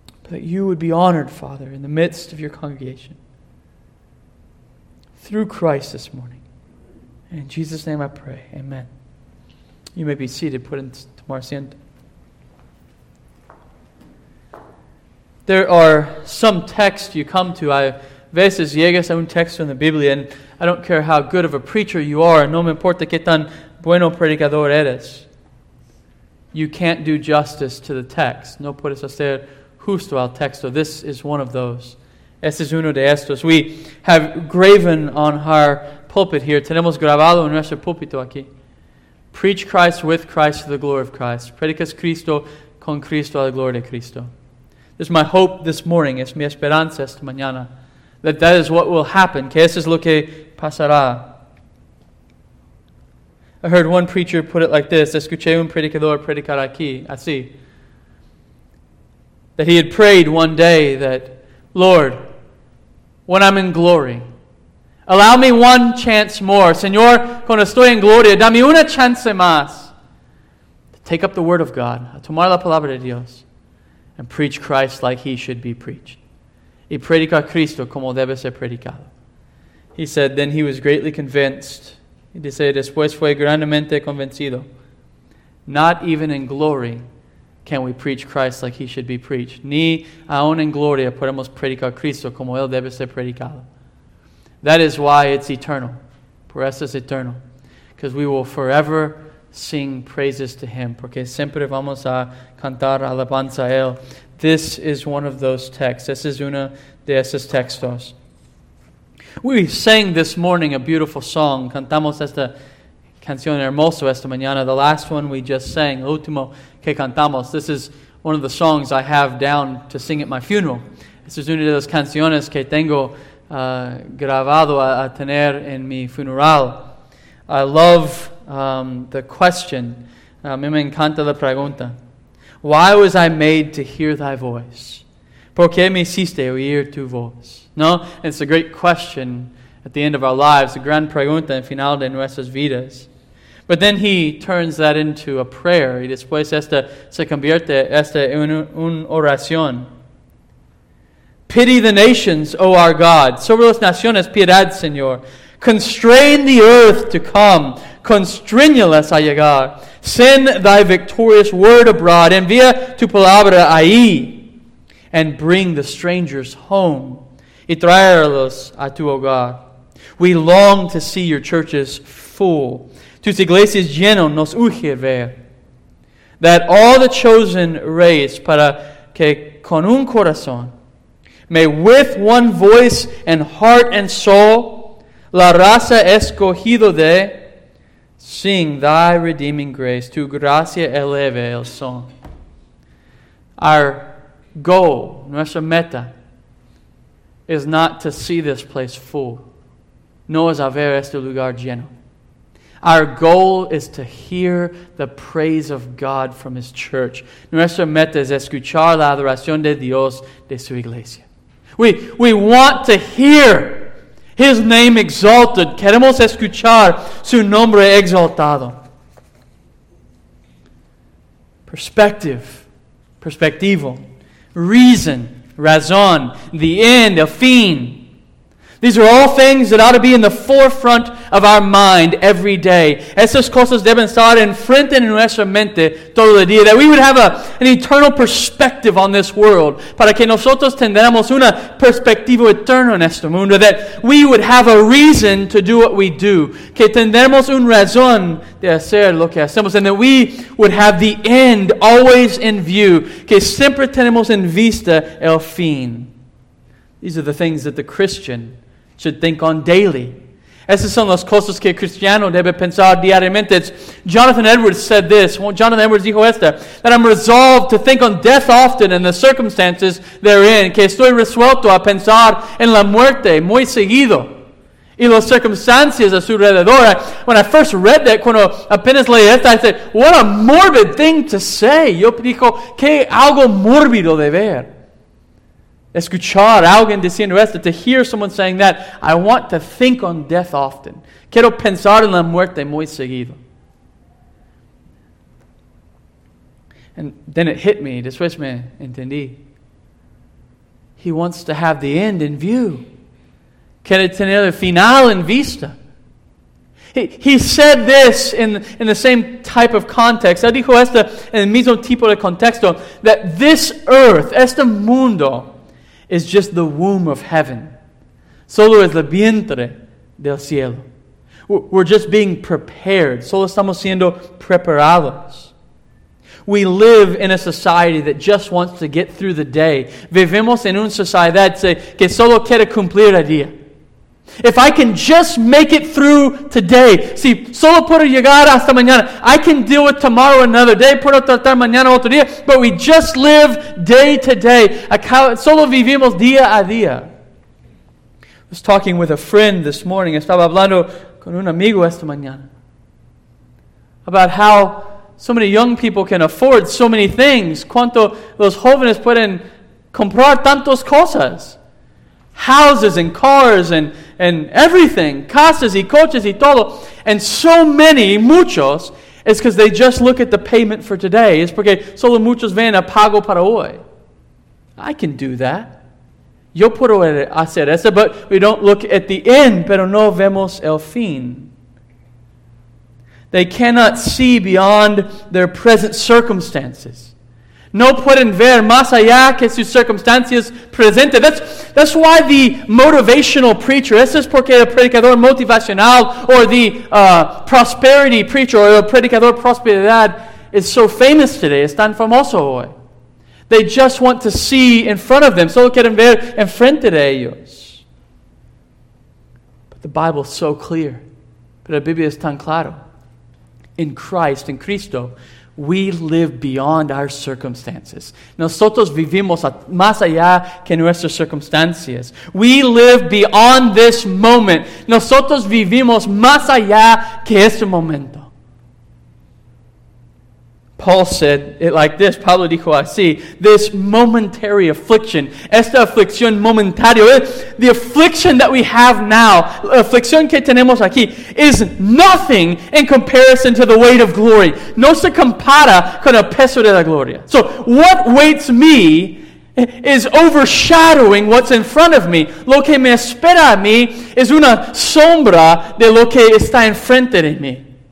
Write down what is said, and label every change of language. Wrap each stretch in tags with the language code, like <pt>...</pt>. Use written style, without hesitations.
<en>That you would be honored, Father, in the midst of your congregation. Through Christ this morning. In Jesus' name I pray. Amen. You may be seated. Put in</en> <es>tomar asiento.</es> <en>There are some texts you come to.</en> <es>A veces llegas a un texto en la Biblia.</es> <en>And I don't care how good of a preacher you are.</en> <es>No me importa qué tan bueno predicador eres.</es> <en>You can't do justice to the text.</en> <es>No puedes hacer justo al texto.</es> <en>This is one of those.</en> <es>Este es uno de estos.</es> <en>We have graven on our pulpit here.</en> <es>Tenemos grabado en nuestro púlpito aquí.</es> <en>Preach Christ with Christ to the glory of Christ.</en> <es>Predicas Cristo con Cristo a la gloria de Cristo.</es> <en>This is my hope this morning.</en> <es>Es mi esperanza esta mañana.</es> <en>That is what will happen.</en> <es>Que eso es lo que pasará.</es> <en>I heard one preacher put it like this.</en> <es>Escuché un predicador predicar aquí. Así.</es> <en>That he had prayed one day that, Lord, when I'm in glory, allow me one chance more.</en> <es>Señor, cuando estoy en gloria, dame una chance más.</es> <en>To take up the word of God.</en> <es>A tomar la palabra de Dios.</es> <en>And preach Christ like he should be preached.</en> <es>Y predica Cristo como debe ser predicado.</es> <en>He said, then he was greatly convinced.</en> <es>He dice, después fue grandemente convencido.</es> <en>Not even in glory can we preach Christ like he should be preached.</en> <es>Ni aun en gloria podemos predicar Cristo como él debe ser predicado.</es> <en>That is why it's eternal.</en> <es>Por eso es eternal.</es> <en>Because we will forever sing praises to him.</en> <es>Porque siempre vamos a cantar alabanza a él.</es> <en>This is</en> <es>one of those texts. This is uno de esos textos.</es> <en>We sang this morning a beautiful song.</en> <es>Cantamos esta canción hermosa esta mañana.</es> <en>The last one we just sang.</en> <es>El último que cantamos.</es> <en>This is one of the songs I have down to sing at my funeral. This is</en> <es>una de las canciones que tengo grabado a tener en mi funeral.</es> <en>I love the question.</en> <es>A mí me encanta la pregunta.</es> <en>Why was I made to hear thy voice?</en> <es>¿Por qué me hiciste oír tu voz?</es> <en>No, it's a great question at the end of our lives,</en> <es>a gran pregunta en final de nuestras vidas.</es> <en>But then he turns that into a prayer.</en> <es>Y después esta se convierte esta en una oración.</es> <en>Pity the nations, O our God.</en> <es>Sobre las naciones, piedad, Señor.</es> <en>Constrain the earth to come.</en> <es>Constriñelas a llegar.</es> <en>Send thy victorious word abroad.</en> <es>Envía tu palabra ahí.</es> <en>And bring the strangers home.</en> <es>Y traerlos a tu hogar.</es> <en>We long to see your churches full.</en> <es>Tus iglesias llenos nos urge ver.</es> <en>That all the chosen race,</en> <es>para que con un corazón,</es> <en>may with one voice and heart and soul,</en> <es>la raza escogido de,</es> <en>sing thy redeeming grace,</en> <es>tu gracia eleve el son.</es> <en>Our goal,</en> <es>nuestra meta,</es> <en>is not to see this place full,</en> <es>no es haber este lugar lleno.</es> <en>Our goal is to hear the praise of God from His church.</en> <es>Nuestra meta es escuchar la adoración de Dios de su iglesia.</es> <en>We want to hear His name exalted.</en> <es>Queremos escuchar su nombre exaltado.</es> <en>Perspective. Perspectivo. Reason. Razón. The end. El fin. These are all things that ought to be in the forefront of our mind every day.</en> <es>Esas cosas deben estar en frente de nuestra mente todo el día.</es> <en>That we would have an eternal perspective on this world.</en> <es>Para que nosotros tendremos una perspectiva eterna en este mundo.</es> <en>That we would have a reason to do what we do.</en> <es>Que tendremos un razón de hacer lo que hacemos.</es> <en>And that we would have the end always in view.</en> <es>Que siempre tenemos en vista el fin.</es> <en>These are the things that the Christian should think on daily.</en> <es>Esas son las cosas que el cristiano debe pensar diariamente.</es> <en>It's Jonathan Edwards said this.</en> <es>Jonathan Edwards dijo esta.</es> <en>That I'm resolved to think on death often and the circumstances therein.</en> <es>Que estoy resuelto a pensar en la muerte muy seguido. Y las circunstancias a su alrededor.</es> <en>When I first read that,</en> <es>cuando apenas leí esta,</es> <en>I said, what a morbid thing to say.</en> <es>Yo dijo, que algo mórbido de ver. Escuchar alguien diciendo esto,</es> <en>to hear someone saying that, I want to think on death often.</en> <es>Quiero pensar en la muerte muy seguido.</es> <en>And then it hit me,</en> <es>después me entendí.</es> <en>He wants to have the end in view.</en> <es>Quiere tener el final en vista.</es> <en>He said this in the same type of context.</en> <es>Él dijo esto en el mismo tipo de contexto,</es> <en>that this earth,</en> <es>este mundo,</es> <en>is just the womb of heaven.</en> <es>Solo es el vientre del cielo.</es> <en>We're just being prepared.</en> <es>Solo estamos siendo preparados.</es> <en>We live in a society that just wants to get through the day.</en> <es>Vivimos en una sociedad que solo quiere cumplir el día.</es> <en>If I can just make it through today,</en> <es>si solo puedo llegar hasta mañana,</es> <en>I can deal with tomorrow another day,</en> <es>puedo tratar mañana otro día,</es> <en>but we just live day to day.</en> <es>Solo vivimos día a día.</es> <en>I was talking with a friend this morning,</en> <es>estaba hablando con un amigo esta mañana,</es> <en>about how so many young people can afford so many things,</en> <es>cuánto los jóvenes pueden comprar tantas cosas.</es> <en>Houses and cars and everything.</en> <es>Casas y coches y todo.</es> <en>And so many,</en> <es>muchos,</es> <en>is because they just look at the payment for today.</en> <es>Es porque solo muchos ven a pago para hoy.</es> <en>I can do that.</en> <es>Yo puedo hacer eso,</es> <en>but we don't look at the end,</en> <es>pero no vemos el fin.</es> <en>They cannot see beyond their present circumstances.</en> <es>No pueden ver más allá que sus circunstancias presentes.</es> <en>That's why the motivational preacher,</en> <es>eso es porque el predicador motivacional</es> <en>or the prosperity preacher or</en> <es>el predicador prosperidad</es> <en>is so famous today,</en> <es>es tan famoso hoy.</es> <en>They just want to see in front of them.</en> <es>Solo quieren ver enfrente de ellos.</es> <en>But the Bible is so clear.</en> <es>Pero la Biblia es tan claro.</es> <en>In Christ,</en> <es>in Cristo, we live beyond our circumstances. Nosotros vivimos más allá que nuestras circunstancias.</es> <en>We live beyond this moment.</en> <es>Nosotros vivimos más allá que este momento.</es> <en>Paul said it like this.</en> <es>Pablo dijo así.</es> <en>This momentary affliction.</en> <es>Esta aflicción momentaria.</es> <en>The affliction that we have now.</en> <es>La aflicción que tenemos aquí.</es> <en>Is nothing in comparison to the weight of glory.</en> <es>No se compara con el peso de la gloria.</es> <en>So what weights me is overshadowing what's in front of me.</en> <es>Lo que me espera a mí es una sombra de lo que está enfrente de mí.</es>